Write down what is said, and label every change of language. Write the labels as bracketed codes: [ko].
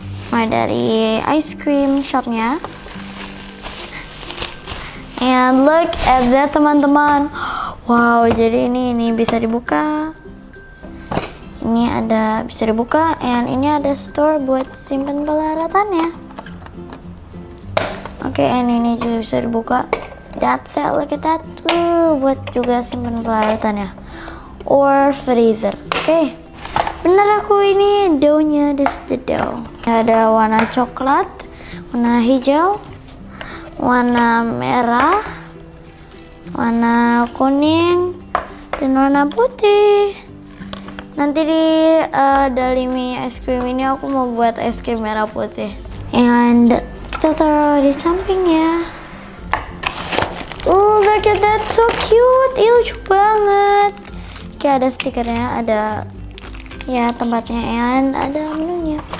[id] Mulai dari ice cream shopnya. [en] And look at that, [id] teman-teman. Wow, jadi ini bisa dibuka. Ini ada bisa dibuka and ini ada store buat simpan peralatannya. [en] Oke, okay, and [id] ini juga bisa dibuka. [en] That's it, look at that. [id] Tuh, buat juga simpan peralatannya. [en] Or freezer. [id] Oke. [en] Okay. [id] Benar aku ini dough-nya, [en] this is the dough. [id] Ada warna coklat, warna hijau, warna merah, warna kuning, dan warna putih. Nanti di Dalimi es krim ini aku mau buat es krim merah putih. And kita taruh di samping ya. [en] Oh, look at that, so cute, [id] ih lucu banget. Kayak ada stikernya, ada ya tempatnya and ada menunya.